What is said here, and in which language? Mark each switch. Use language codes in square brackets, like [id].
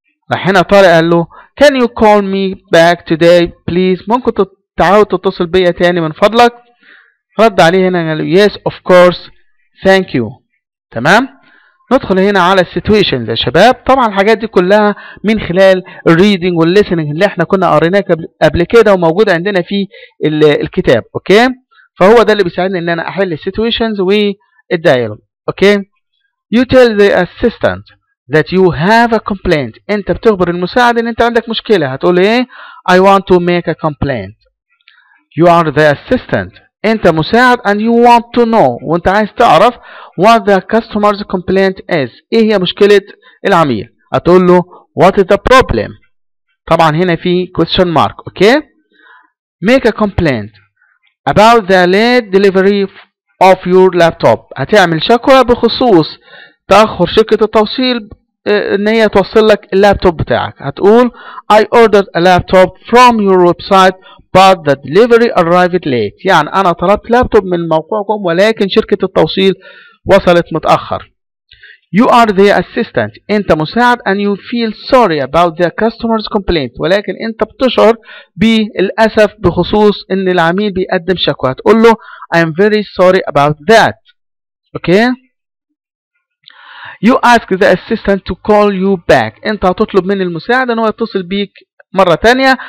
[ar] لحين طارق قال له [en] Can you call me back today please؟ [ar] ممكن تعاود تتصل بي تاني من فضلك؟ رد عليه هنا قال له [en] Yes, of course. Thank you. [ar] تمام؟ ندخل هنا على situations يا شباب. طبعا الحاجات دي كلها من خلال reading والlistening اللي احنا كنا قريناها قبل كده وموجود عندنا في الكتاب. اوكي فهو ده اللي بيساعدني ان انا احل situations والdialogue. [en] Okay you tell the assistant that you have a complaint. [ar] انت بتخبر المساعد ان انت عندك مشكلة. هتقول ايه [en] I want to make a complaint. You are the assistant. [ar] انت مساعد [en] and you want to know [ar] وانت عايز تعرف [en] what the customer's complaint is. [ar] ايه هي مشكلة العميل. هتقول له [en] what is the problem. [ar] طبعا هنا في question mark. [en] okay make a complaint about the late delivery of your laptop. [ar] هتعمل شكوى بخصوص تأخر شركة التوصيل ان هي توصل لك اللابتوب بتاعك. [en] هتقول I ordered a laptop from your website but the delivery arrived late. [ar] يعني انا طلبت لابتوب من موقعكم ولكن شركة التوصيل وصلت متأخر. [en] You are the assistant. [ar] انت مساعد [en] and you feel sorry about the customer's complaint. [ar] ولكن انت بتشعر بالأسف بخصوص ان العميل بيقدم شكوى. هتقول له [en] I'm very sorry about that. okay You ask the assistant to call you back. [ar] انت هتطلب من المساعد ان هو يتصل بيك مرة تانية.